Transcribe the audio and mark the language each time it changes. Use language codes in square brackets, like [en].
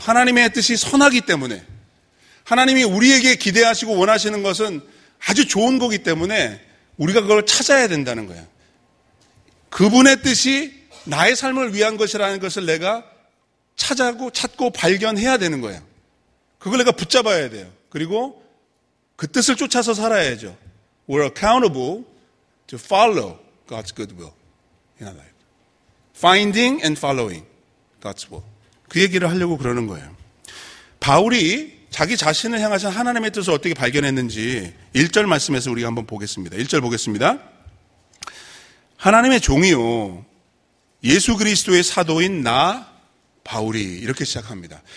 [ko] 하나님의 뜻이 선하기 때문에 하나님이 우리에게 기대하시고 원하시는 것은 아주 좋은 거기 때문에 우리가 그걸 찾아야 된다는 거예요. 그분의 뜻이 나의 삶을 위한 것이라는 것을 내가 찾고 발견해야 되는 거예요. 그걸 내가 붙잡아야 돼요. 그리고 그 뜻을 쫓아서 살아야죠. [en] We're accountable to follow God's good will in our life. Finding and following God's will. [ko] 그 얘기를 하려고 그러는 거예요. 바울이 자기 자신을 향하신 하나님의 뜻을 어떻게 발견했는지 1절 말씀에서 우리가 한번 보겠습니다. 1절 보겠습니다. 하나님의 종이요 예수 그리스도의 사도인 나 바울이 이렇게 시작합니다.